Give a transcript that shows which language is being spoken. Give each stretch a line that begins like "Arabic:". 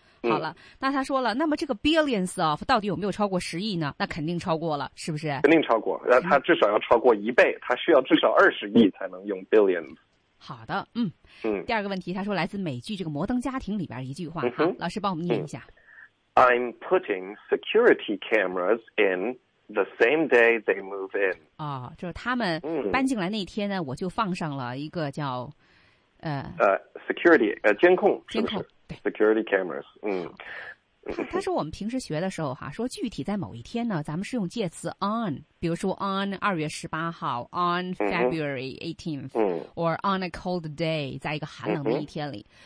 Chinese: 好了，那他说了，那么这个 billions of 到底有没有超过10亿呢？那肯定超过了，是不是？肯定超过，那他至少要超过一倍，他需要至少20亿才能用 billions。好的，第二个问题，他说来自美剧这个《摩登家庭》里边一句话，老师帮我们念一下。
English: I'm putting security cameras in the same day they move in。
Chinese: 哦，就是他们搬进来那天呢，我就放上了一个叫 security 监控，是不是？监控。
English: Security cameras，
Chinese: 他说我们平时学的时候哈，说具体在某一天呢，咱们是用介词 on， 比如说 on 2月18号 ，
English: on February 18th， or on a cold day，
Chinese: 在一个寒冷的一天里。